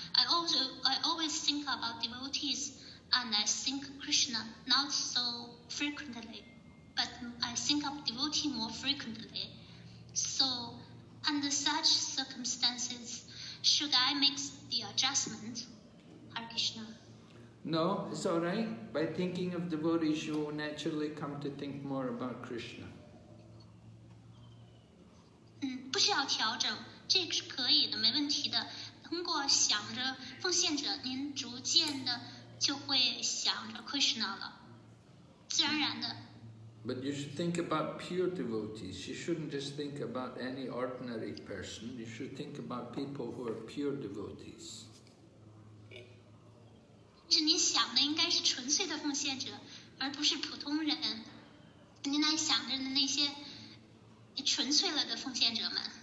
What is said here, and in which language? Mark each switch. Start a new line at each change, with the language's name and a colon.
English: I always think about devotees, and I think Krishna not so frequently, but I think of devotee more frequently. So, under such circumstances, should I make the adjustment, Hare Krishna? No, it's all right. By thinking of devotees, you will naturally come to think more about Krishna.
Chinese: 不需要调整，这是可以的，没问题的。通过想着奉献者，您逐渐的就会想着 Krishna 了，自然而然的。
English: But you should think about pure devotees. You shouldn't just think about any ordinary person. You should think about people who are pure devotees.
Chinese: 是您想的应该是纯粹的奉献者，而不是普通人。您来想着的那些纯粹了的奉献者们。